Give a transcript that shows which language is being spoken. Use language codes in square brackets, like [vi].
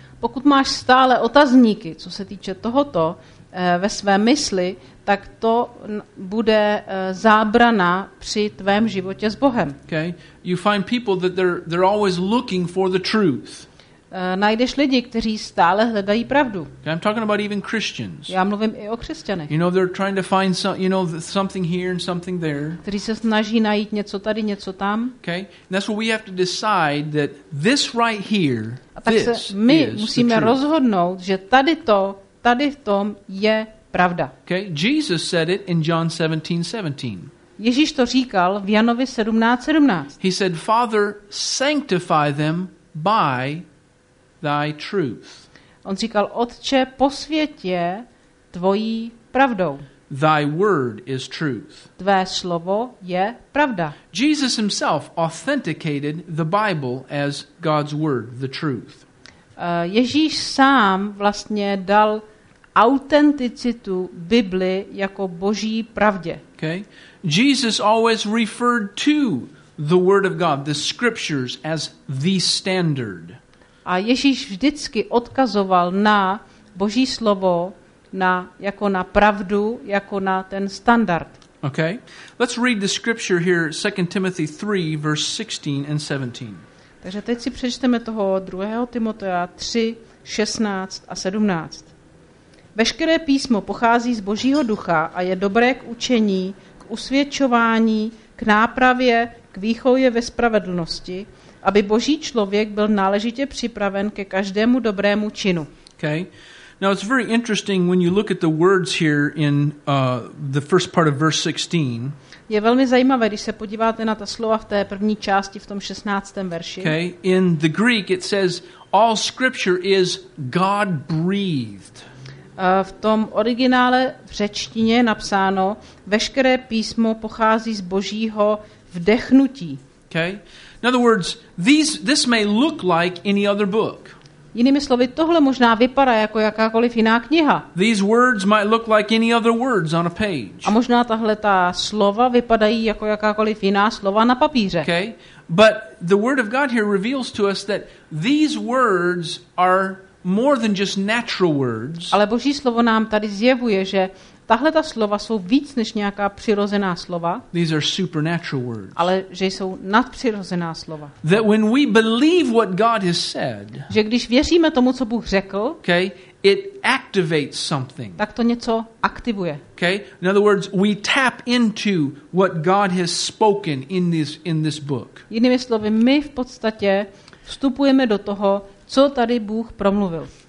[cs] Pokud máš stále otazníky, co se týče tohoto ve své mysli, tak to bude zábrana při tvém životě s Bohem. [en] Okay. You find people that they're always looking for the truth. [cs] Najdeš lidi, kteří stále hledají pravdu. [en] Okay, I'm talking about even Christians. [cs] Já mluvím i o křesťanech. [en] You know, they're trying to find something here and something there. [cs] Kteří se snaží najít něco tady, něco tam. [en] Okay. And that's what we have to decide that this right here, this is the truth. [cs] A tak se my musíme rozhodnout, že tady v tom je pravda. [en] Okay, Jesus said it in John 17:17. [cs] Ježíš to říkal v Janovi 17:17. [en] He said, "Father, sanctify them by thy truth." [cs] On říkal, Otče, posvěť je tvojí pravdou. [en] Thy word is truth. [cs] Tvé slovo je pravda. [en] Jesus himself authenticated the Bible as God's word, the truth. [cs] Ježíš sám vlastně dal autenticitu Bibli jako Boží pravdě. [en] Okay. Jesus always referred to the word of God, the scriptures as the standard. [cs] A Ježíš vždycky odkazoval na Boží slovo, jako na pravdu, jako na ten standard. [en] Okay. Let's read the scripture here, 2 Timothy 3 verse 16 and 17. [cs] Takže teď si přečteme toho 2. Timotea 3 16 a 17. Veškeré písmo pochází z Božího ducha a je dobré k učení, k usvědčování, k nápravě, k výchově ve spravedlnosti, aby Boží člověk byl náležitě připraven ke každému dobrému činu. [en] Okay. Now it's very interesting when you look at the words here in the first part of verse 16. [cs] Je velmi zajímavé, když se podíváte na ta slova v té první části v tom 16. verši. [en] Okay. In the Greek it says all scripture is God breathed. [cs] V tom originále v řečtině je napsáno, veškeré písmo pochází z Božího vdechnutí. [en] Okay. In other words, this may look like any other book. [cs] Jinými slovy, tohle možná vypadá jako jakákoliv jiná kniha. [en] These words might look like any other words on a page. [cs] A možná tahle ta slova vypadají jako jakákoliv jiná slova na papíře. [en] Okay. But the word of God here reveals to us that these words are more than just natural words. [cs] Ale Boží slovo nám tady zjevuje, že tahle ta slova jsou víc než nějaká přirozená slova. [en] These are supernatural words. [cs] Ale že jsou nadpřirozená slova. [en] That when we believe what God has said. [cs] Že když věříme tomu, co Bůh řekl. [en] Okay, it activates something. [cs] Tak to něco aktivuje. [en] Okay, in other words, we tap into what God has spoken in this book. [cs] Jinými slovy, my v podstatě vstupujeme do toho, co tady Bůh promluvil.